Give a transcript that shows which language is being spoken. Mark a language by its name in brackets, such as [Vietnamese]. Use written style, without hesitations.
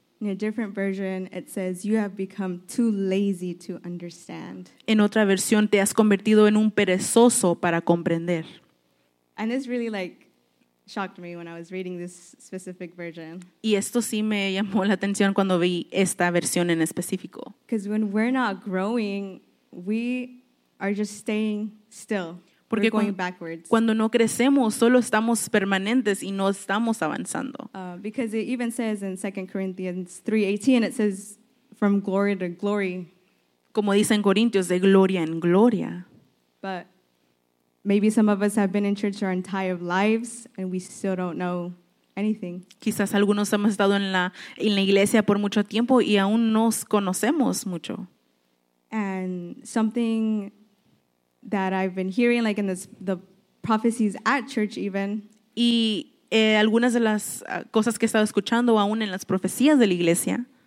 [English] In a different version, it says, you have become too lazy to understand. [Spanish] En otra versión, te has convertido en un perezoso para comprender. [English] And this really like shocked me when I was reading this specific version. [Spanish] Y esto sí me llamó la atención cuando vi esta versión en específico. [English] Because when we're not growing, we are just staying still. [Spanish] Porque [English] we're going backwards. [Spanish] Cuando no crecemos, solo estamos permanentes y no estamos avanzando. [English] Because it even says in 2 Corinthians 3:18, it says, from glory to glory. [Spanish] Como dice en Corintios, de gloria en gloria. [English] But maybe some of us have been in church our entire lives and we still don't know anything. [Spanish] Quizás algunos hemos estado en la iglesia por mucho tiempo y aún no conocemos mucho. [English] And something that I've been hearing, like in the prophecies at church even. [Spanish] Y algunas de las cosas que he estado escuchando aún en las profecías de la iglesia.